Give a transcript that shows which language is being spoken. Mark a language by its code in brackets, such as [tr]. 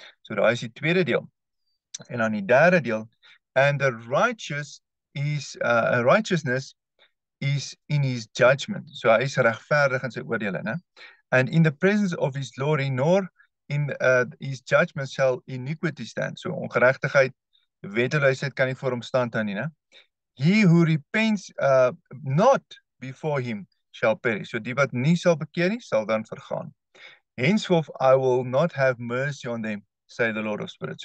[af] So daar is die tweede deel. En dan die derde deel, [en] and the righteous is righteousness is in his judgment. [af] So hy is regverdig in sy oordeele, né? [en] And in the presence of his glory, nor in his judgment shall iniquity stand. [af] So ongeregtigheid, wetteloosheid kan nie voor hom stand hou nie, né? [en] He who repents not before him shall perish. [af] So die wat nie sal bekeer nie, sal dan vergaan. [en] Henceforth I will not have mercy on them, say the Lord of Spirits.